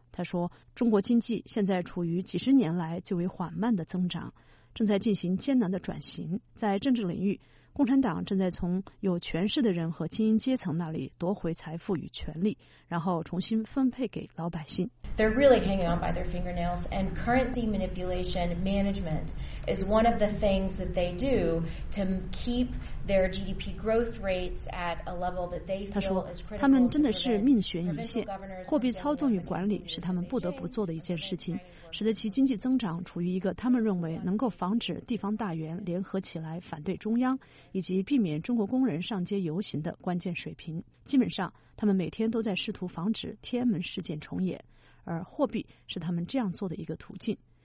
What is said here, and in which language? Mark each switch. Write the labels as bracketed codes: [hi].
[zh] 他说，中国经济现在处于几十年来最为缓慢的增长，正在进行艰难的转型。在政治领域，共产党正在从有权势的人和精英阶层那里夺回财富与权力，然后重新分配给老百姓。 [en] They're really hanging on by their fingernails, and currency manipulation management is one of the things that they do to keep their GDP growth rates at a level that they feel is critical. [zh] 他们真的是命悬一线，货币操纵与管理是他们不得不做的一件事情，使得其经济增长处于一个他们认为能够防止地方大员联合起来反对中央以及避免中国工人上街游行的关键水平。基本上他们每天都在试图防止天安门事件重演，而货币是他们这样做的一个途径。